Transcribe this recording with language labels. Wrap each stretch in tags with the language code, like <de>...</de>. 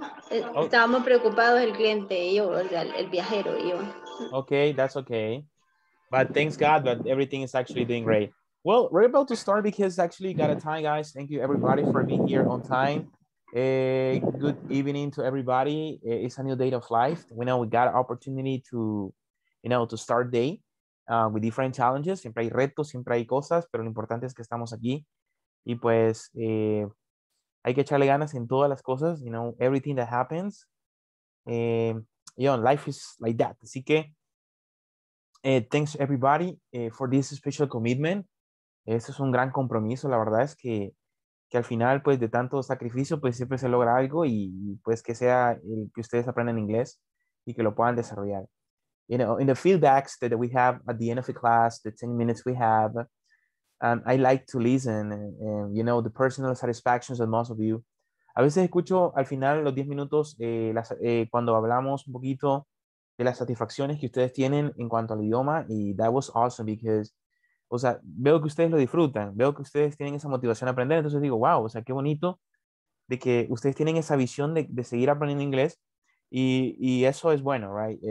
<es>Estábamos preocupados, el cliente y yo, el viajero y yo.</es> <en>Okay, that's okay. But thanks God that everything is actually doing great. Well, we're about to start because actually got a time, guys. Thank you everybody for being here on time. Good evening to everybody. It's a new day of life. We know we got an opportunity to, you know, to start day with different challenges.</en> <es>Siempre hay retos, siempre hay cosas, pero lo importante es que estamos aquí. Y pues, hay que echarle ganas en todas las cosas,</es> <en>you know, everything that happens. Life is like that.</en> <es>Así que,</es> <en>thanks everybody for this special commitment.</en> <es>Eso es un gran compromiso. La verdad es que al final, pues, de tanto sacrificio, pues, siempre se logra algo y, pues, que sea el que ustedes aprendan inglés y que lo puedan desarrollar.</es> <en>You know, in the feedbacks that we have at the end of the class, the 10 minutes we have, I like to listen, and, you know, the personal satisfactions of most of you.</en> <es>A veces escucho al final los 10 minutos cuando hablamos un poquito de las satisfacciones que ustedes tienen en cuanto al idioma, y</es> <en>that was awesome because,</en> <es>o sea, veo que ustedes lo disfrutan, veo que ustedes tienen esa motivación a aprender, entonces digo, wow, o sea, qué bonito de que ustedes tienen esa visión de seguir aprendiendo inglés, y eso es bueno, right?</es>